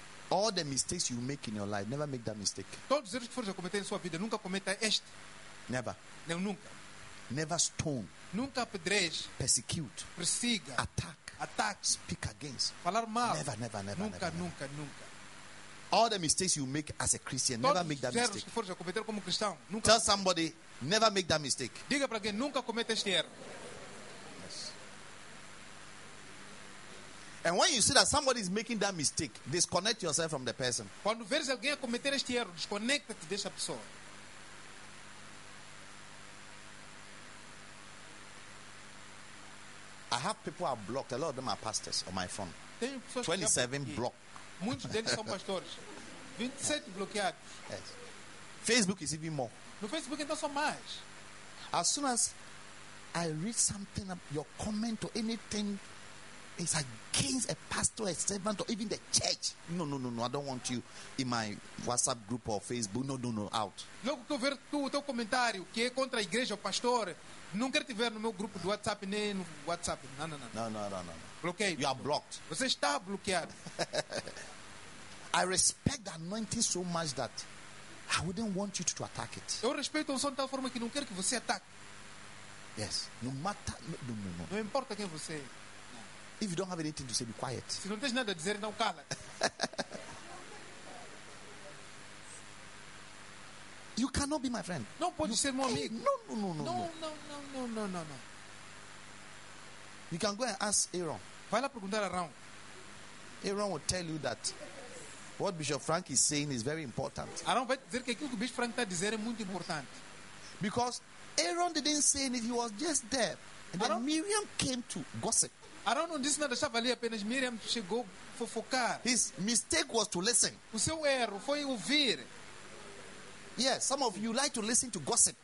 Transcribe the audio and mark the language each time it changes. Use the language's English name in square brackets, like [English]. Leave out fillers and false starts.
[English] All the mistakes you make in your life, never make that mistake. [Portuguese] Todos os erros que for já cometer em sua vida, nunca cometa este. [English] Never. [Portuguese] Não, nunca. [English] Never stone. [Portuguese] Nunca apedreje. [English] Persecute. [Portuguese] Persiga. [English] Attack. Attack. Speak against. [Portuguese] Falar mal. [English] Never, never, never. [Portuguese] Nunca, [English] never, [Portuguese] nunca, never. Nunca. [English] All the mistakes you make as a Christian, [Portuguese] todos [English] never make that mistake. [Portuguese] Que for já cometer como cristão, nunca. [English] Tell somebody, never make that mistake. [Portuguese] Diga para alguém, nunca cometa este erro. [English] Yes. And when you see that somebody is making that mistake, disconnect yourself from the person. [Portuguese] Quando veres alguém a cometer este erro, desconecta-te dessa pessoa. [English] I have people who are blocked. A lot of them are pastors on my phone. 27 blocked. [Portuguese] Muitos deles são pastores. 27 bloqueados. [English] Yes. Facebook is even more. [Portuguese] No Facebook então são mais. [English] As soon as I read something, your comment or anything is against a pastor, a servant, or even the church. No, no, no, no. I don't want you in my WhatsApp group or Facebook. No, no, no. Out. [Portuguese] Logo que eu ver o teu comentário que é contra a igreja ou pastor, não quero te ver no meu grupo do WhatsApp nem no WhatsApp. [English] No, no, no. No, no, no, no. [Portuguese] Bloqueio. [English] You are blocked. [Portuguese] Você está bloqueado. [English] I respect the anointing so much that I wouldn't want you to attack it. [Portuguese] Eu respeito o som de tal forma que não quero que você ataque. [English] Yes. No matter. No, no, no, no. [Portuguese] Não importa quem você é. [English] If you don't have anything to say, be quiet. [Portuguese] Se não tens nada a dizer, não cala. [English] You cannot be my friend. [Portuguese] Não pode ser meu amigo. [English] No, no, no, no, no, no, no, no, no, no, no. You can go and ask Aaron. [Portuguese] Vai lá perguntar a Aaron. [English] Aaron will tell you that what Bishop Frank is saying is very important. [Portuguese] Aaron vai dizer que aquilo que Bishop Frank está dizendo é muito importante. [English] Because Aaron didn't say anything; he was just there. And then Miriam came to gossip. [Portuguese] Aaron não disse nada, estava ali apenas. Miriam chegou a fofocar. [English] His mistake was to listen. [Portuguese] O seu erro foi ouvir. [English] Yes, some of you like to listen to gossip.